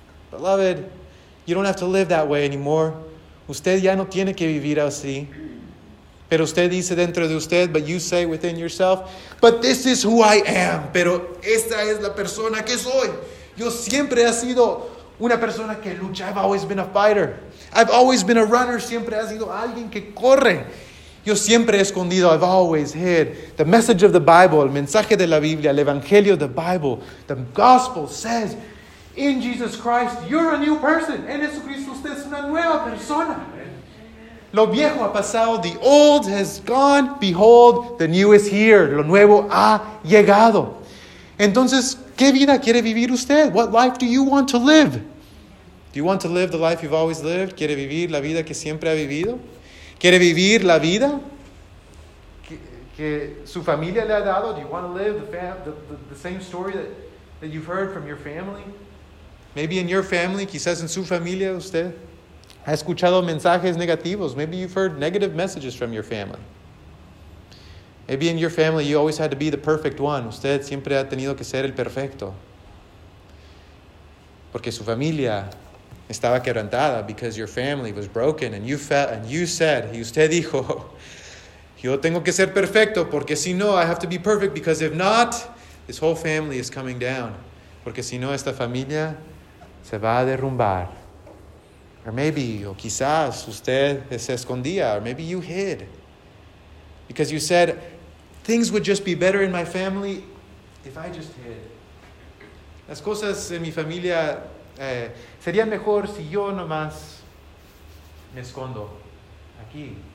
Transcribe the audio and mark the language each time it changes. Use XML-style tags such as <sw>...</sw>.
<en>Beloved, you don't have to live that way anymore.</en> <es>Usted ya no tiene que vivir así. Pero usted dice dentro de usted,</es> <en>but you say within yourself, but this is who I am.</en> <es>Pero esta es la persona que soy. Yo siempre he sido una persona que lucha.</es> <en>I've always been a fighter. I've always been a runner.</en> <es>Siempre ha sido alguien que corre. Yo siempre he escondido.</es> <en>I've always hid. The message of the Bible,</en> <es>el mensaje de la Biblia, el evangelio,</es> <en>the Bible, the gospel says, in Jesus Christ, you're a new person.</en> <es>En Jesucristo usted es una nueva persona. Lo viejo ha pasado,</es> <en>the old has gone, behold, the new is here.</en> <es>Lo nuevo ha llegado. Entonces, ¿qué vida quiere vivir usted?</es> <en>What life do you want to live? Do you want to live the life you've always lived?</en> <es>¿Quiere vivir la vida que siempre ha vivido? ¿Quiere vivir la vida que su familia le ha dado?</es> <en>Do you want to live the same story that you've heard from your family? Maybe in your family,</en> <es>quizás en su familia usted ha escuchado mensajes negativos.</es> <en>Maybe you've heard negative messages from your family. Maybe in your family you always had to be the perfect one.</en> <es>Usted siempre ha tenido que ser el perfecto. Porque su familia estaba quebrantada.</es> <en>Because your family was broken. And you felt, and you said,</en> <es>y usted dijo, yo tengo que ser perfecto. Porque si no,</es> <en>I have to be perfect. Because if not, this whole family is coming down.</en> <es>Porque si no, esta familia se va a derrumbar.</es> <en>Or maybe,</en> <es>o quizás, usted se escondía.</es> <en>Or maybe you hid. Because you said, things would just be better in my family if I just hid.</en> <es>Las cosas en mi familia serían mejor si yo nomás me escondo aquí.</es>